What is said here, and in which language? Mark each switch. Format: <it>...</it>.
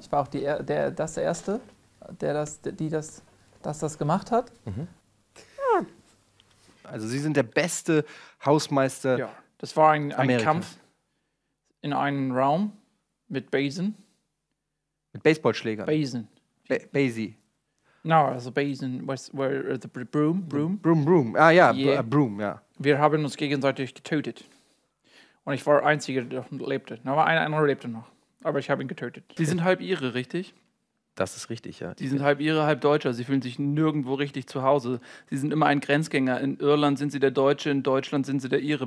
<de>Ich war auch der Erste, der das gemacht hat. Mhm. Also Sie sind der beste Hausmeister. Ja, das war ein Kampf in einem Raum mit Besen. Mit Baseballschlägern? Besen. Basie.</de> <en>No,</en> <de>also Besen,</de> <en>where the broom? Broom, broom, broom. Ah ja, yeah. Broom, ja.</en> <de>Wir haben uns gegenseitig getötet. Und ich war der Einzige, der lebte. Aber einer andere lebte noch. Aber ich habe ihn getötet. Sie sind halb Ire, richtig? Das ist richtig, ja. Sie sind halb Ire, halb Deutscher. Sie fühlen sich nirgendwo richtig zu Hause. Sie sind immer ein Grenzgänger. In Irland sind Sie der Deutsche, in Deutschland sind Sie der Ire.</de>